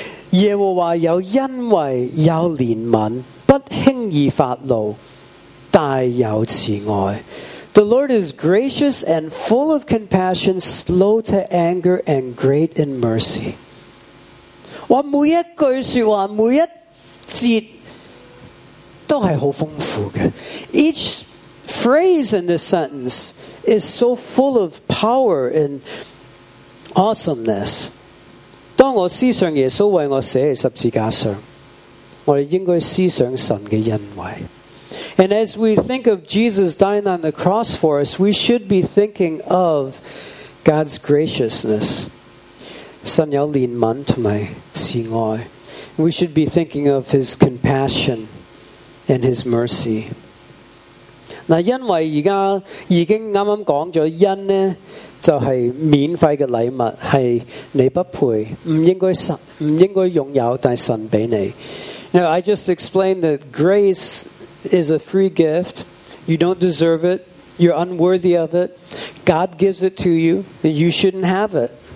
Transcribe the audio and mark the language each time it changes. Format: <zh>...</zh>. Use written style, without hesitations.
<zh>耶和华有恩惠，有怜悯，不轻易发怒，大有慈爱。</zh> <en>The Lord is gracious and full of compassion, slow to anger and great in mercy.</en> <zh>我每一句说话，每一节都是很丰富的。</zh> <en>Each phrase in this sentence is so full of power and awesomeness.</en> <zh>当我思想耶稣为我死在十字架上，我们应该思想神的恩惠。</zh> <en>And as we think of Jesus dying on the cross for us, we should be thinking of God's graciousness.</en> <zh>神有怜悯和慈爱。</zh> <en>We should be thinking of his compassion and his mercy.</en> <zh>因为现在已经刚刚讲了，恩呢就是免费的礼物，是你不配，不应该拥有，但神给你。</zh> <en>You know, I just explained that grace is a free gift. You don't deserve it. You're unworthy of it. God gives it to you, and you shouldn't have it.</en>